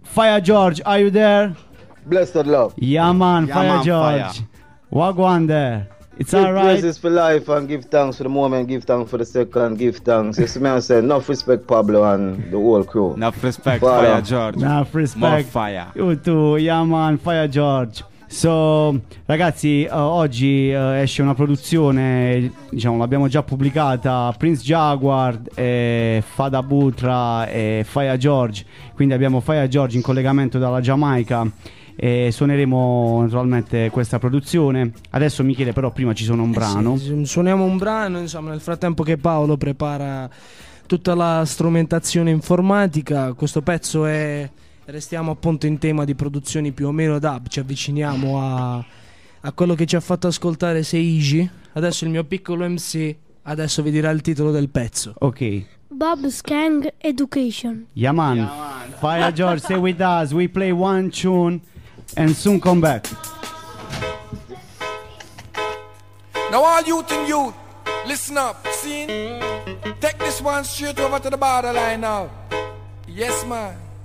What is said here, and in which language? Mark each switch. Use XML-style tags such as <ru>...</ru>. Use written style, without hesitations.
<en>Fire George, are you there? Blessed love. Yaman, yeah, Fire George. Fire. Wagwan there. It's give all right. Praises for life and give thanks for the moment, give thanks for the second, give thanks. It's me, I said, enough respect, Pablo, and the whole crew. Enough respect, Fire George. Enough respect. More fire. You too, Yaman, Fire George.</en> <it>So, ragazzi, oggi esce una produzione, diciamo, l'abbiamo già pubblicata, Prince Jaguar, Fada Butra e Fire George. Quindi abbiamo Fire George in collegamento dalla Giamaica e suoneremo naturalmente questa produzione. Adesso Michele, però prima ci suona un brano. Sì, suoniamo un brano, insomma, nel frattempo che Paolo prepara tutta la strumentazione informatica. Questo pezzo è... Restiamo appunto in tema di produzioni più o meno dub, ci avviciniamo a quello che ci ha fatto ascoltare Seiji. Adesso il mio piccolo MC adesso vi dirà il titolo del pezzo. Ok. Bob Skang Education.</it> <en>Yaman. Yeah, Fire George, stay with us. We play one tune and soon come back. Now all youth and youth, listen up, seen? Take this one straight over to the borderline now. Yes, man.</en>